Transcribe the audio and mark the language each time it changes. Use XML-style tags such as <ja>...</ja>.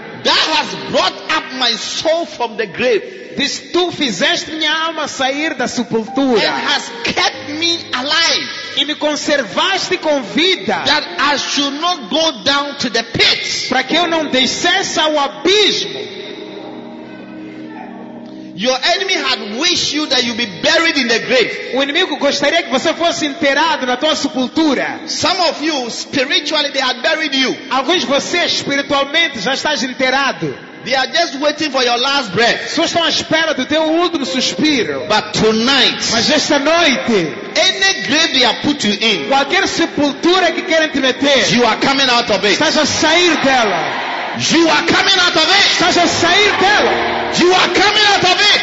<en>That has brought up my soul from the grave.</en> <pt>Diz, tu fizeste minha alma sair da sepultura.</pt> <en>And has kept me alive.</en> <pt>E me conservaste com vida.</pt> <en>That I should not go down to the pit.</en> <pt>Para que eu não descesse ao abismo.</pt> <en>Your enemy had wished you that you be buried in the grave.</en> <pt>O inimigo gostaria que você fosse enterrado na tua sepultura.</pt> <en>Some of you spiritually they had buried you.</en> <pt>Alguns de vocês espiritualmente já estás enterrado.</pt> <en>They are just waiting for your last breath.</en> <pt>Só estão à espera do teu último suspiro.</pt> <en>But tonight,</en> <pt>mas esta noite,</pt> <en>any grave they have put you in,</en> <pt>qualquer sepultura que querem te meter,</pt> <en>you are coming out of it.</en> <pt>Estás a sair dela.</pt> <en>You are coming out of it.</en> <pt>Estás a sair dela.</pt> <en>You are coming out of it.</en>